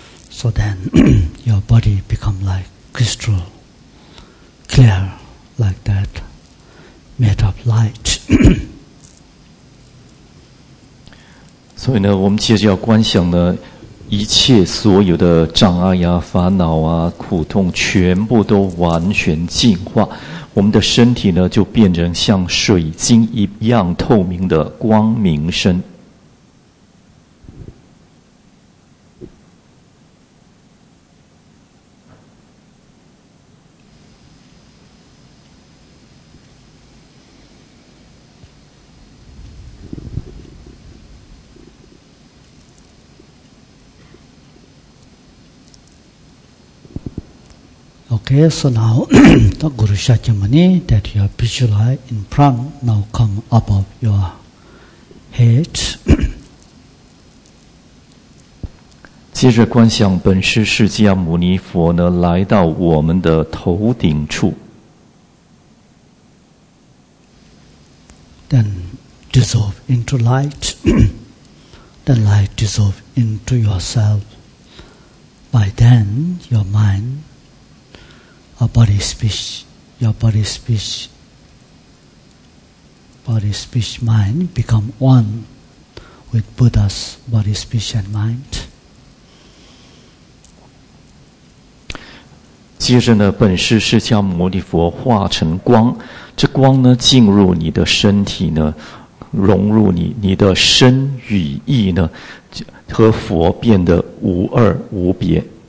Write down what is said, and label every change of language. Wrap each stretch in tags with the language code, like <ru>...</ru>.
<en>So then your body become like crystal, clear like that, made of light.</en> <zh>所以呢，我们接着要观想呢，一切所有的障碍呀、烦恼啊、苦痛，全部都完全净化。我们的身体呢，就变成像水晶一样透明的光明身。</zh> <en>Okay, so now the Guru Shakyamuni that you have visualized in front now come above your head.</en> <zh>接着观想本师释迦牟尼佛呢来到我们的头顶处。</zh> <en>Then dissolve into light. Then light dissolve into yourself. By then your mind. Body, speech, mind become one with Buddha's body, speech, and mind.</en> <zh>接着呢，本师释迦牟尼佛化成光，这光呢进入你的身体呢，融入你，你的身与意呢，和佛变得无二无别。</zh>